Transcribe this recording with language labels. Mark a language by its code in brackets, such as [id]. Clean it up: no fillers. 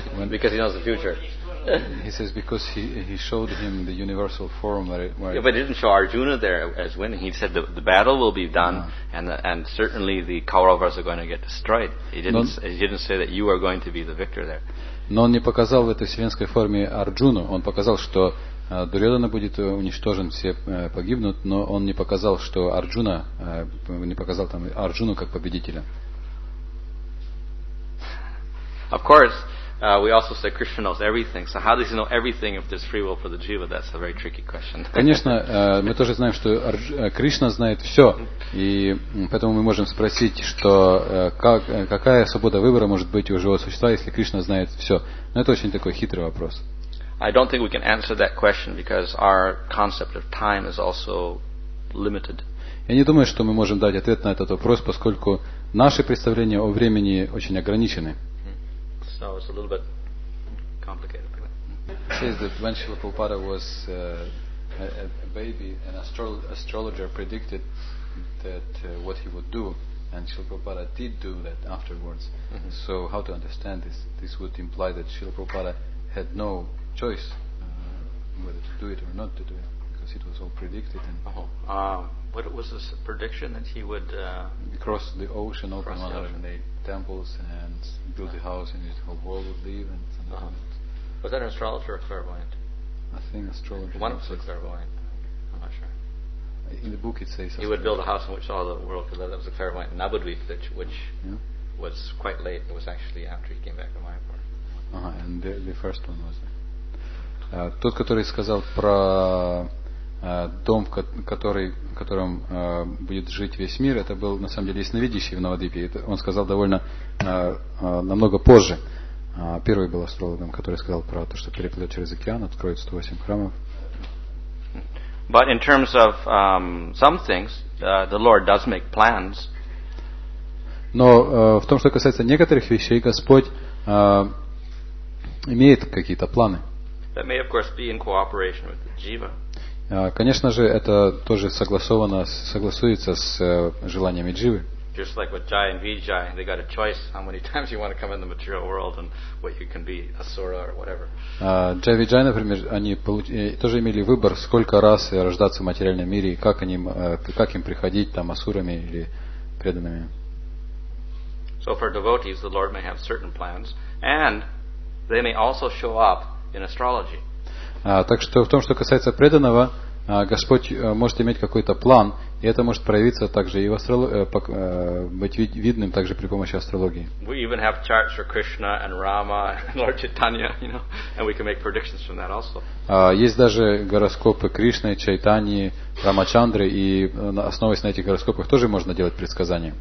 [en] Because he knows the future. He says because he showed him the universal form where yeah, but he didn't show Arjuna there as winning. He said the battle will be done and certainly the Kauravas are going to get destroyed. He didn't say that you are going to be the victor there. [ru] Но он не показал в этой вселенской форме Арджуну. Он показал, что Дурьодана будет уничтожен, все погибнут, но он не показал, что Арджуна не показал там Арджуну как победителя. [en] Of course. We also say Krishna knows everything. So how does he know everything if there's free will for the jiva? That's a very tricky question. [ru] Конечно, мы тоже знаем, что Кришна знает все, и поэтому мы можем спросить, что какая свобода выбора может быть у живого существа, если Кришна знает все? Но это очень такой хитрый вопрос. [en] I don't think we can answer that question because our concept of time is also limited. [ru] Я не думаю, что мы можем дать ответ на этот вопрос, поскольку наши представления о времени очень ограничены. [en] No, it's a little bit complicated. It says that when Srila Prabhupada was a baby, an astrologer predicted that what he would do, and Srila Prabhupada did do that afterwards. Mm-hmm. So how to understand this? This would imply that Srila Prabhupada had no choice whether to do it or not to do it, because it was all predicted. And what was this prediction that he would cross the ocean, open 108 temples, and build a house in his whole world would live? And was that an astrologer or a clairvoyant? I think astrologer. One was a clairvoyant. I'm not sure. In the book it says he would build a house in which all the world could live. That was a clairvoyant. Nabudweep, which was quite late. It was actually after he came back to Mayapur. And the first one was [ru] тот, который сказал про дом, в котором будет жить весь мир, это был на самом деле ясновидящий в Навадвипе. Он сказал довольно намного позже. Первый был астрологом, который сказал про то, что переплывет через океан, откроет 108 храмов. [en] But in terms of some things, the Lord does make plans. [ru] Но в том, что касается некоторых вещей, Господь имеет какие-то планы. [en] That may, of course, be in cooperation with the jiva. [ru] Конечно же, это тоже согласовано, согласуется с желаниями дживы. [en] Just like with Jaya and Vijaya, they got a choice how many times you want to come in the material world and what you can be, asura or whatever. [ru] Jaya and Vijaya, например, они тоже имели выбор, сколько раз рождаться в материальном мире и как им приходить там асурами или преданными. [en] So for devotees, the Lord may have certain plans, and they may also show up in astrology. [ru] Так что в том, что касается преданного, Господь может иметь какой-то план, и это может проявиться также и в быть видным также при помощи астрологии. [en] We even have charts for Krishna and Rama and Lord Chaitanya, you know, and we can make predictions from that also. [ru] Есть даже гороскопы Кришны, Чайтани, Рамачандры, и основываясь на этих гороскопах тоже можно делать предсказания.